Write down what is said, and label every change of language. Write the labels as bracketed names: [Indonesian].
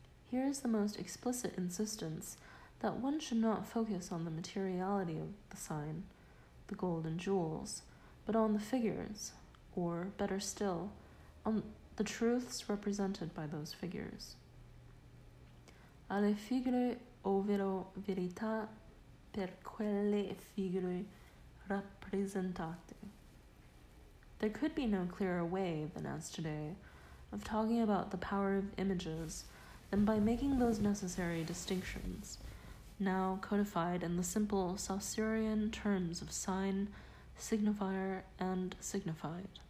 [English] Here is the most explicit insistence that one should not focus on the materiality of the sign, the gold and jewels, but on the figures, or better still, on the truths represented by those figures. [Italian] Alle figure ovvero verità per quelle figure rappresentate. [English] There could be no clearer way than as today of talking about the power of images than by making those necessary distinctions, now codified in the simple Saussurean terms of sign, signifier, and signified.